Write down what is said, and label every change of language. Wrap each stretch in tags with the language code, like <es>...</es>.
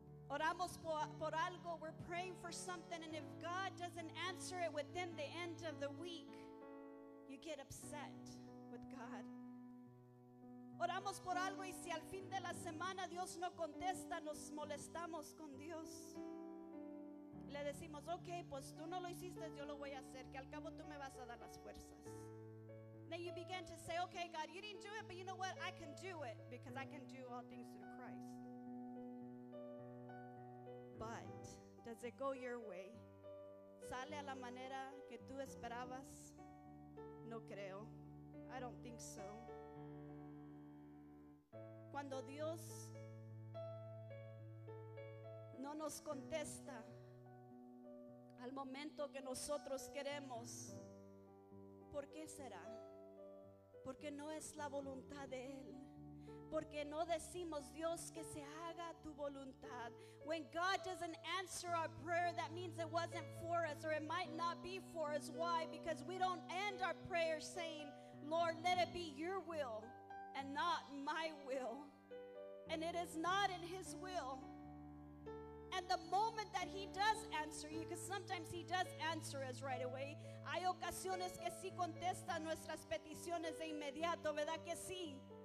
<es>Oramos por algo,</es> <en>we're praying for something, and if God doesn't answer it within the end of the week, you get upset with God.</en> <es>Oramos por algo y si al fin de la semana Dios no contesta, nos molestamos con Dios. Le decimos, ok, pues tú no lo hiciste, yo lo voy a hacer, que al cabo tú me vas a dar las fuerzas.</es> <en>Then you begin to say, okay, God, you didn't do it, but you know what? I can do it because I can do all things through Christ. But does it go your way?</en> <es>¿Sale a la manera que tú esperabas? No creo.</es> <en>I don't think so.</en> <es>Cuando Dios no nos contesta al momento que nosotros queremos, ¿por qué será? Porque no es la voluntad de Él. Porque no decimos, Dios, que se haga tu voluntad.</es> <en>When God doesn't answer our prayer, that means it wasn't for us, or it might not be for us. Why? Because we don't end our prayer saying, Lord, let it be your will and not my will. And it is not in His will. And the moment that He does answer you, because sometimes He does answer us right away.</en> <es>Hay ocasiones que sí contesta nuestras peticiones de inmediato, ¿verdad que sí?</es>